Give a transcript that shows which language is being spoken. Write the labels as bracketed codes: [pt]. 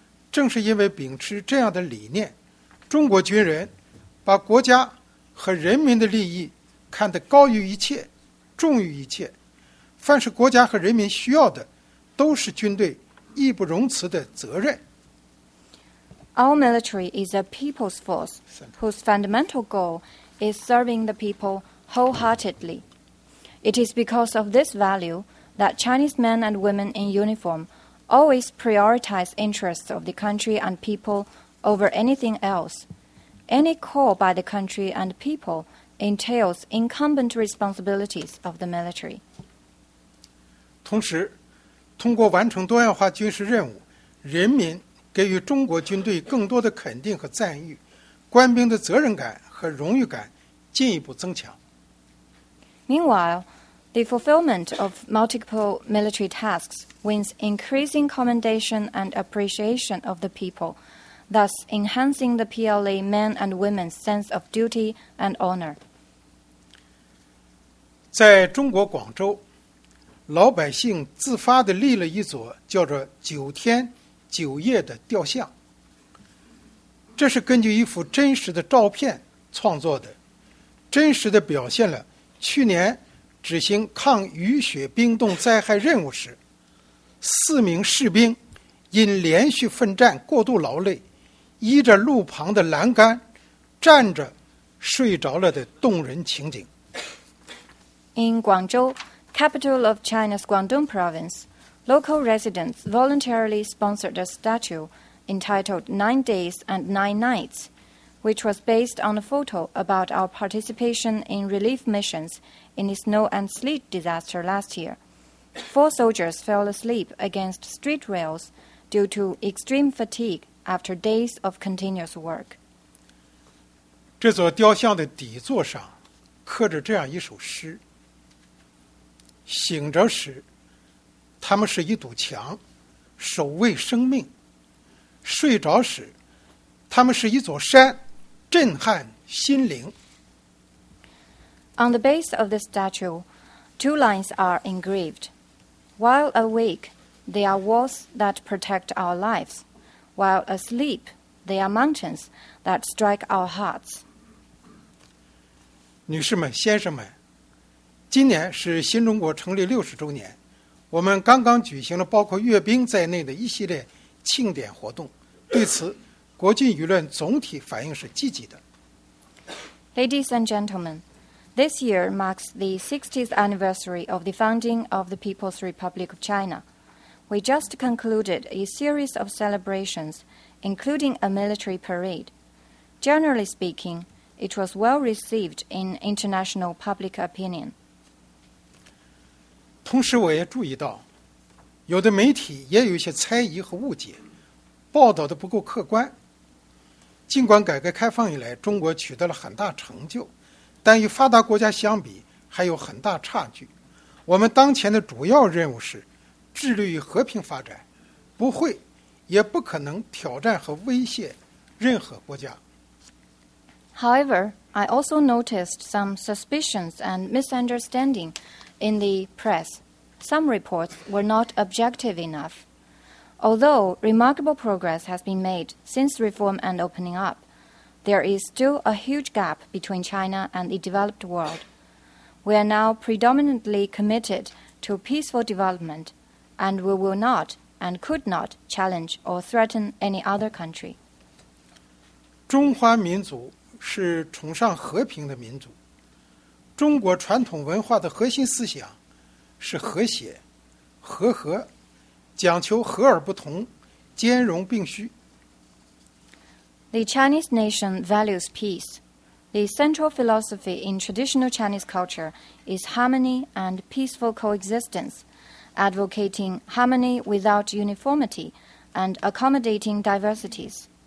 [zh] 正是因为秉持这样的理念，中国军人把国家和人民的利益看得高于一切，重于一切。凡是国家和人民需要的，都是军队义不容辞的责任。 [en] Our military is a people's force whose fundamental goal is serving the people wholeheartedly. It is because of this value that Chinese men and women in uniform always prioritize interests of the country and people over anything else. Any call by the country and people entails incumbent responsibilities of the military. [zh] 同时，通过完成多样化军事任务，人民给予中国军队更多的肯定和赞誉，官兵的责任感和荣誉感进一步增强。 [en] Meanwhile, the fulfillment of multiple military tasks wins increasing commendation and appreciation of the people, thus enhancing the PLA men and women's sense of duty and honor. [zh] 在中国广州，老百姓自发地立了一座叫做九天九夜的雕像，这是根据一幅真实的照片创作的，真实地表现了去年执行抗雨雪冰冻灾害任务时，四名士兵因连续奋战过度劳累，依着路旁的栏杆站着睡着了的动人情景。 [en] In Guangzhou, capital of China's Guangdong province, local residents voluntarily sponsored a statue entitled Nine Days and Nine Nights,which was based on a photo about our participation in relief missions in the snow and sleet disaster last year. Four soldiers fell asleep against street rails due to extreme fatigue after days of continuous work. [zh] 这座雕像的底座上刻着这样一首诗。醒着时，他们是一堵墙，守卫生命；睡着时，他们是一座山，震撼心灵。 [en] On the base of the statue, two lines are engraved. While awake, they are walls that protect our lives. While asleep, they are mountains that strike our hearts. [zh] 女士们，先生们，今年是新中国成立六十周年，我们刚刚举行了包括阅兵在内的一系列庆典活动，对此国际舆论总体反应是积极的。 [en] Ladies and gentlemen, this year marks the 60th anniversary of the founding of the People's Republic of China. We just concluded a series of celebrations, including a military parade. Generally speaking, it was well received in international public opinion. [zh] 同时我也注意到，有的媒体也有一些猜疑和误解，报道的不够客观。尽管改革开放以来中国取得了很大成就，但与发达国家相比还有很大差距。我们当前的主要任务是致力于和平发展，不会也不可能挑战和威胁任何国家。 [en] However, I also noticed some suspicions and misunderstanding in the press. Some reports were not objective enough. Although remarkable progress has been made since reform and opening up, there is still a huge gap between China and the developed world. We are now predominantly committed to peaceful development, and we will not and could not challenge or threaten any other country. [zh] 中华民族是崇尚和平的民族。中国传统文化的核心思想是和谐、和和。讲求和而不同，兼容并蓄。 [en] The Chinese nation values peace. The central philosophy in traditional Chinese culture is harmony and peaceful coexistence, advocating harmony without uniformity and accommodating diversities.